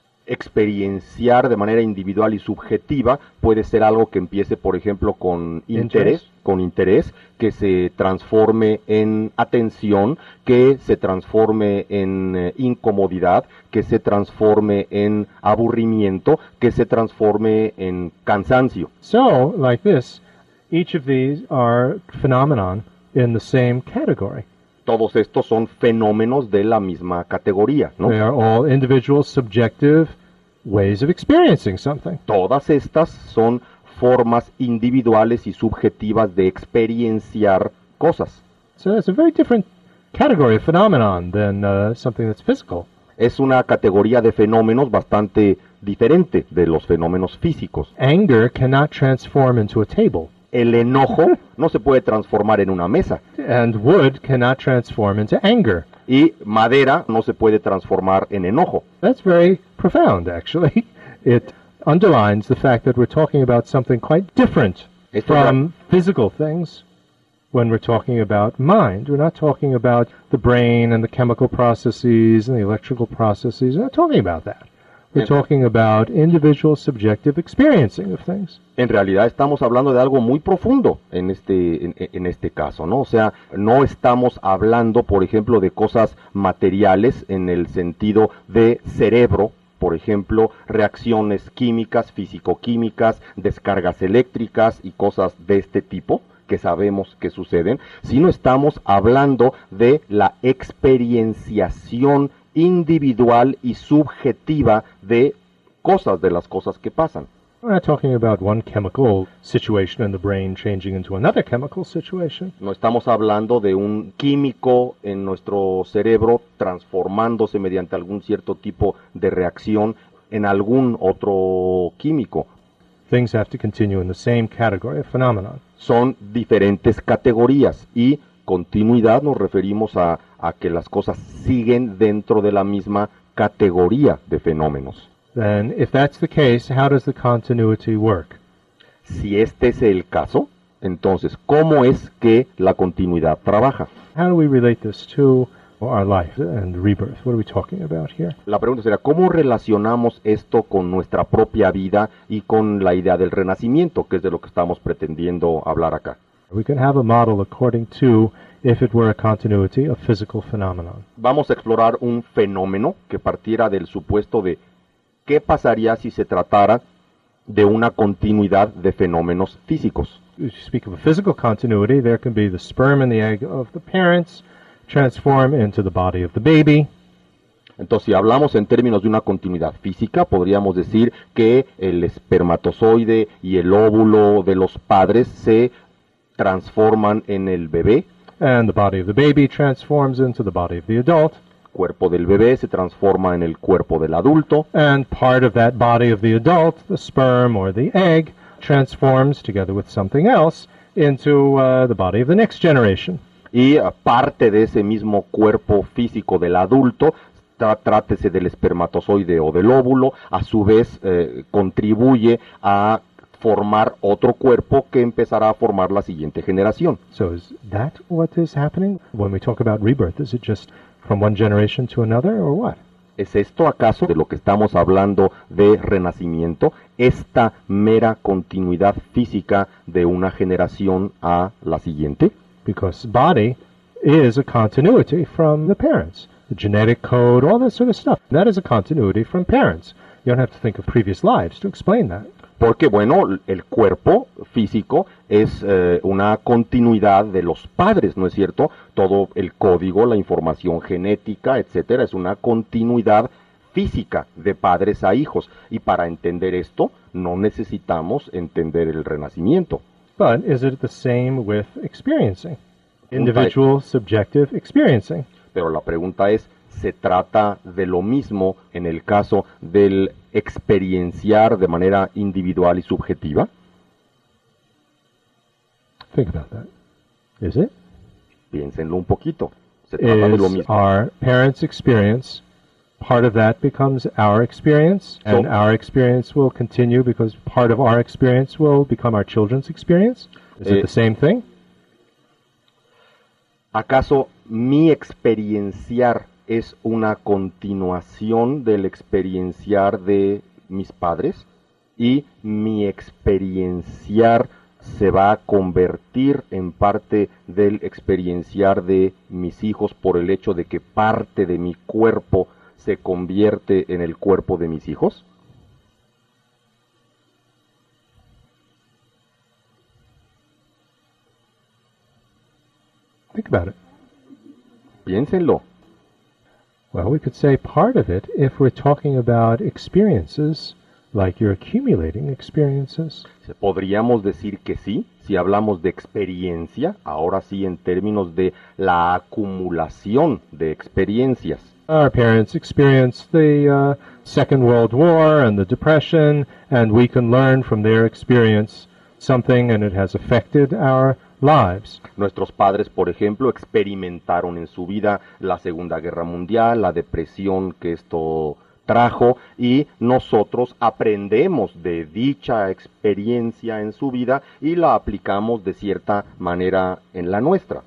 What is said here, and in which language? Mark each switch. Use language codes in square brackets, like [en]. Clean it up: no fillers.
[es] Experienciar de manera individual y subjetiva puede ser algo que empiece, por ejemplo, con interés. Con interés, que se transforme en atención, que se transforme en incomodidad, que se transforme en aburrimiento, que se transforme en cansancio. [en] So, like this. Each of these are phenomenon in the same category. [es] Todos estos son fenómenos de la misma categoría, ¿no? [en] They are all individual subjective ways of experiencing something. [es] Todas estas son formas individuales y subjetivas de experienciar cosas. [en] So it's a very different category of phenomenon than something that's physical. [es] Es una categoría de fenómenos bastante diferente de los fenómenos físicos. [en] Anger cannot transform into a table. [es] El enojo no se puede transformar en una mesa. [en] And wood cannot transform into anger. [es] Y madera no se puede transformar en enojo. [en] That's very profound, actually. It underlines the fact that we're talking about something quite different from physical things when we're talking about mind. We're not talking about the brain and the chemical processes and the electrical processes. We're not talking about that. We're talking about individual subjective experiencing of things. [es] En realidad estamos hablando de algo muy profundo en este caso, ¿no? O sea, no estamos hablando, por ejemplo, de cosas materiales en el sentido de cerebro, por ejemplo, reacciones químicas, físico-químicas, descargas eléctricas y cosas de este tipo que sabemos que suceden, sino estamos hablando de la experienciación individual y subjetiva de cosas, de las cosas que pasan. [en] We're not talking about one chemical situation in the brain changing into another chemical situation. [es] No estamos hablando de un químico en nuestro cerebro transformándose mediante algún cierto tipo de reacción en algún otro químico. [en] Things have to continue in the same category of phenomena. [es] Son diferentes categorías y continuidad nos referimos a que las cosas siguen dentro de la misma categoría de fenómenos. [en] Then, if that's the case, how does the continuity work? [es] Si este es el caso, entonces, ¿cómo es que la continuidad trabaja? [en] How do we relate this to our life and rebirth? What are we talking about here? [es] La pregunta sería, ¿cómo relacionamos esto con nuestra propia vida y con la idea del renacimiento, que es de lo que estamos pretendiendo hablar acá? [en] We can have a model according to if it were a continuity of physical phenomenon. [es] Vamos a explorar un fenómeno que partiera del supuesto de qué pasaría si se tratara de una continuidad de fenómenos físicos. [en] If you speak of a physical continuity, there can be the sperm and the egg of the parents transform into the body of the baby. [es] Entonces, si hablamos en términos de una continuidad física, podríamos decir que el espermatozoide y el óvulo de los padres se transforman en el bebé. [en] And the body of the baby transforms into the body of the adult. [es] Cuerpo del bebé se transforma en el cuerpo del adulto. [en] And part of that body of the adult, the sperm or the egg, transforms together with something else into the body of the next generation. [es] Y parte de ese mismo cuerpo físico del adulto, trátese del espermatozoide o del óvulo, a su vez contribuye a formar otro cuerpo que empezará a formar la siguiente generación. [en] So is that what is happening when we talk about rebirth? Is it just from one generation to another or what? [es] ¿Es esto acaso de lo que estamos hablando de renacimiento? ¿Esta mera continuidad física de una generación a la siguiente? [en] Because body is a continuity from the parents. The genetic code, all that sort of stuff. That is a continuity from parents. You don't have to think of previous lives to explain that. [es] Porque, bueno, el cuerpo físico es una continuidad de los padres, ¿no es cierto? Todo el código, la información genética, etcétera, es una continuidad física de padres a hijos. Y para entender esto, no necesitamos entender el renacimiento. [en] But is it the same with experiencing? Individual subjective experiencing. [es] Pero la pregunta es, ¿se trata de lo mismo en el caso del experienciar de manera individual y subjetiva? [en] Think about that. Is it? [es] Piénsenlo un poquito. ¿Se trata de lo mismo? [en] Is our parents' experience, part of that becomes our experience, and our experience will continue because part of our experience will become our children's experience? Is it the same thing? [es] ¿Acaso mi experienciar es una continuación del experienciar de mis padres y mi experienciar se va a convertir en parte del experienciar de mis hijos por el hecho de que parte de mi cuerpo se convierte en el cuerpo de mis hijos? [en] Think about it. [es] Piénsenlo. [en] Well, we could say part of it if we're talking about experiences, like you're accumulating experiences. [es] Podríamos decir que sí, si hablamos de experiencia, ahora sí en términos de la acumulación de experiencias. [en] Our parents experienced the Second World War and the Depression, and we can learn from their experience something and it has affected our lives. [es] Nuestros padres, por ejemplo, experimentaron en su vida la Segunda Guerra Mundial, la depresión que esto trajo, y nosotros aprendemos de dicha experiencia en su vida y la aplicamos de cierta manera en la nuestra.